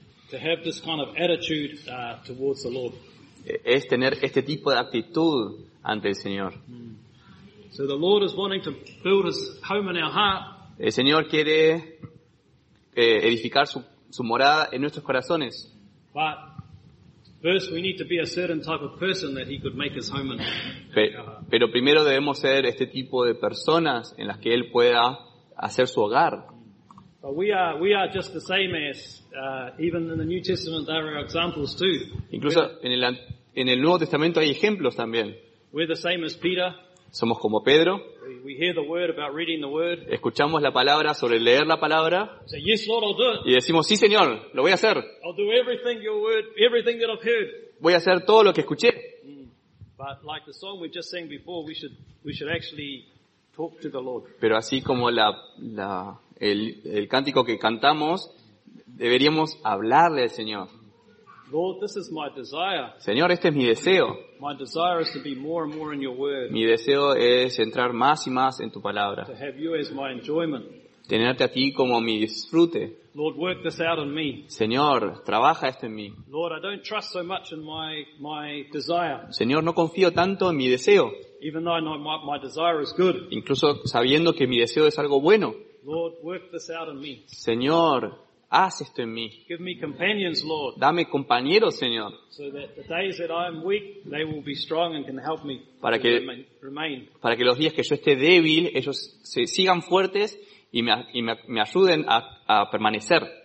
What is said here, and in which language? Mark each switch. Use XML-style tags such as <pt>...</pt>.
<en>To have this kind of attitude, towards the Lord.</en> <es>Es tener este tipo de actitud ante el Señor.</es> <en>So the Lord is wanting to build his home in our heart.</en> <es>El Señor quiere edificar su morada en nuestros corazones.</es> <en>But first we need to be a certain type of person that he could make his home in.</en> <es>Pero primero debemos ser este tipo de personas en las que él pueda hacer su hogar.</es> <en>But we are just the same as even in the New Testament there are examples too.</en> <es>Incluso en el Nuevo Testamento hay ejemplos también.</es> <en>We're the same as Peter.</en> <es>Somos como Pedro.</es> <en>We hear the word about reading the word.</en> <es>Escuchamos la palabra sobre leer la palabra.</es> <en>Say, yes, Lord, I'll do it.</en> <es>Y decimos, sí, Señor, lo voy a hacer.</es> <en>I'll do everything your word, everything that I've heard.</en> <es>Voy a hacer todo lo que escuché.</es> <en>But like the song we just sang before, we should actually talk to the Lord.</en> <es>Pero así como el cántico que cantamos, deberíamos hablarle al Señor.</es> <en>Lord, this is my desire.</en> <es>Señor, este es mi deseo.</es> <en>My desire is to be more and more in your word.</en> <es>Mi deseo es entrar más y más en tu palabra.</es> <en>To have you as my enjoyment.</en> <es>Tenerte a ti como mi disfrute.</es> <en>Lord, work this out in me.</en> <es>Señor, trabaja esto en mí.</es> <en>Lord, I don't trust so much in my desire.</en> <es>Señor, no confío tanto en mi deseo.</es> <en>Even though I know my desire is good.</en> <es>Incluso sabiendo que mi deseo es algo bueno.</es> <en>Lord, work this out in me.</en> <es>Señor, haz esto en mí.</es> <en>Give me companions, Lord.</en> <es>Dame compañeros, Señor.</es> <en>So that the days that I am weak, they will be strong and can help me.</en> <es>Para que</es> <en>remain.</en> <es>Para que los días que yo esté débil, ellos se sigan fuertes y me ayuden a permanecer.</es>